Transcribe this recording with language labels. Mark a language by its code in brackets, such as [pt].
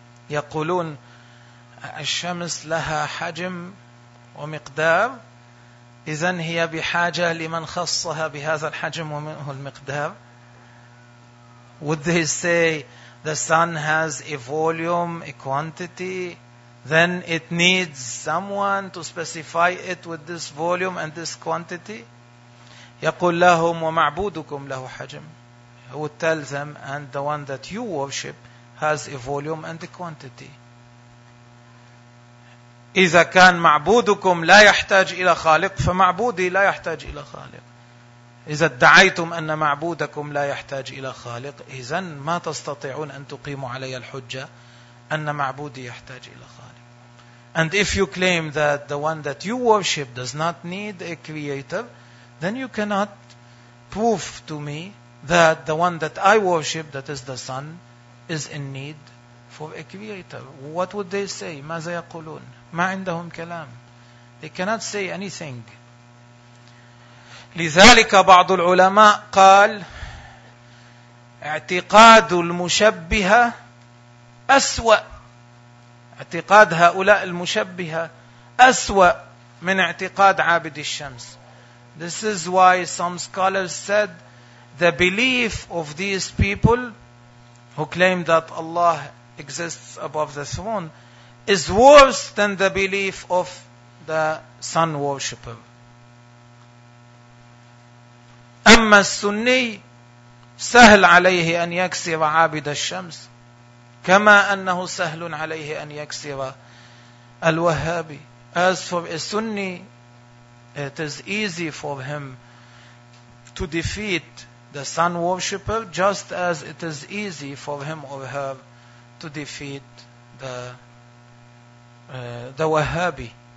[ar] يقولون الشمس لها حجم ومقدار, إذن هي بحاجة لمن خصها بهذا الحجم ومنه المقدار. [en] Would they say the sun has a volume, a quantity, then it needs someone to specify it with this volume and this quantity? [ar] يقول لهم ومعبودكم له حجم. [en] He would tell them, and the one that you worship has a volume and a quantity. [ar] إذا كان معبودكم لا يحتاج إلى خالق فمعبودي لا يحتاج إلى خالق. إذا ادعيتم أن معبودكم لا يحتاج إلى خالق, إذن ما تستطيعون أن تقيموا علي الحجة أن معبودي يحتاج إلى خالق. [en] And if you claim that the one that you worship does not need a creator, then you cannot prove to me that the one that I worship, that is the sun, is in need for a creator. What would they say? [ar] ماذا يقولون? ما عندهم كلام. [en] They cannot say anything. [ar] لذلك بعض العلماء قال اعتقاد المشبهة أسوأ. اعتقاد هؤلاء المشبهة أسوأ من اعتقاد عابد الشمس. [en] This is why some scholars said the belief of these people who claim that Allah exists above the throne is worse than the belief of the sun worshipper. [ar] أما السني سهل عليه أن يكسر عابد الشمس كما أنه سهل عليه أن يكسر الوهابي. [en] As for a Sunni, it is easy for him to defeat the sun worshipper just as it is easy for him or her to defeat the Wahhabi.